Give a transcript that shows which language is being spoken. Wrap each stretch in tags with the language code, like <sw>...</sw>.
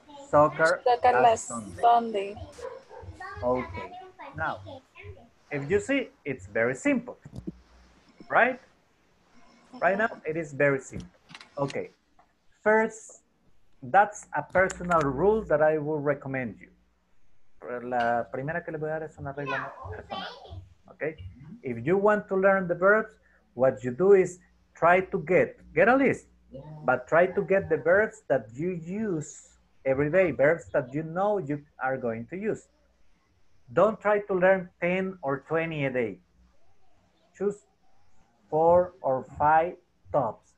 <en>soccer last Sunday. Okay. Now, if you see, it's very simple, right? Mm-hmm. Right now, it is very simple. Okay. First, that's a personal rule that I will recommend you.</en> <es>La primera que le voy a dar es una regla personal.</es> <en>Okay? If you want to learn the verbs, what you do is try to get a list, but try to get the verbs that you use every day, verbs that you know you are going to use. Don't try to learn 10 or 20 a day. Choose 4 or 5 tops.</en>